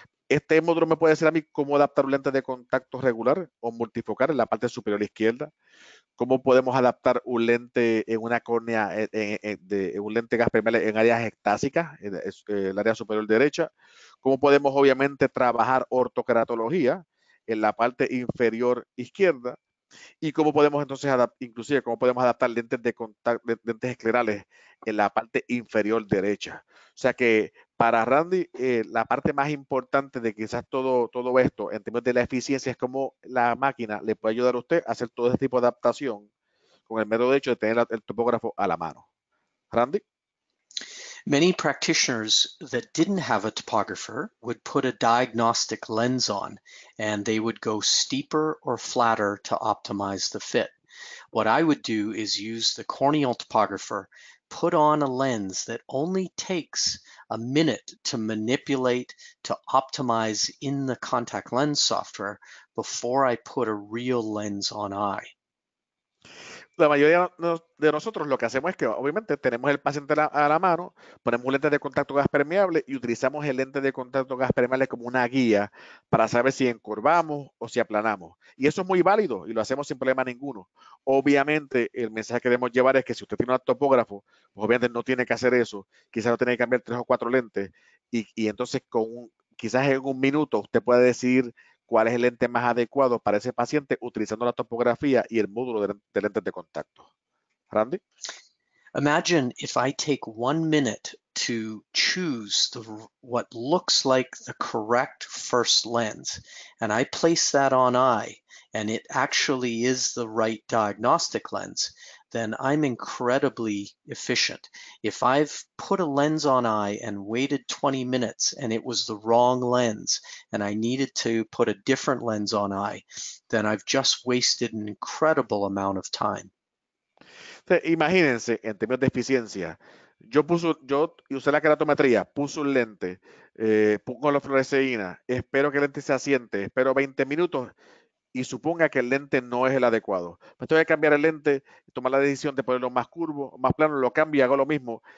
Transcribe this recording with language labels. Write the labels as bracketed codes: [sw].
[es] Este módulo me puede decir a mí cómo adaptar un lente de contacto regular o multifocal en la parte superior izquierda, cómo podemos adaptar un lente en una córnea, un lente gas permeable en áreas ectásicas, en el área superior derecha, cómo podemos obviamente trabajar ortokeratología en la parte inferior izquierda y cómo podemos entonces inclusive cómo podemos adaptar lentes de contacto, lentes esclerales en la parte inferior derecha. O sea que para Randy, la parte más importante de quizás todo esto en términos de la eficiencia es cómo la máquina le puede ayudar a usted a hacer todo ese tipo de adaptación con el mero hecho de tener el topógrafo a la mano. Randy. [en] Many practitioners that didn't have a topographer would put a diagnostic lens on and they would go steeper or flatter to optimize the fit. What I would do is use the corneal topographer, put on a lens that only takes a minute to manipulate, to optimize in the contact lens software before I put a real lens on eye. [es] La mayoría de nosotros lo que hacemos es que obviamente tenemos el paciente a la mano, ponemos un lente de contacto gas permeable y utilizamos el lente de contacto gas permeable como una guía para saber si encorvamos o si aplanamos. Y eso es muy válido y lo hacemos sin problema ninguno. Obviamente, el mensaje que debemos llevar es que si usted tiene un topógrafo, pues obviamente no tiene que hacer eso. Quizás no tiene que cambiar 3 o 4 lentes y entonces quizás en un minuto usted puede decidir cuál es el lente más adecuado para ese paciente utilizando la topografía y el módulo de lentes de contacto. Randy? [en] Imagine if I take 1 minute to choose what looks like the correct first lens and I place that on eye and it actually is the right diagnostic lens, then I'm incredibly efficient. If I've put a lens on eye and waited 20 minutes and it was the wrong lens and I needed to put a different lens on eye, then I've just wasted an incredible amount of time. [es] Imagínense, en términos de eficiencia, yo usé la queratometría, puse un lente, pongo la fluoresceína, espero que el lente se asiente, espero 20 minutos y suponga que el lente no es el adecuado. Pues tengo que cambiar el lente, tomar la decisión de ponerlo más curvo, más plano, lo cambio y hago lo mismo.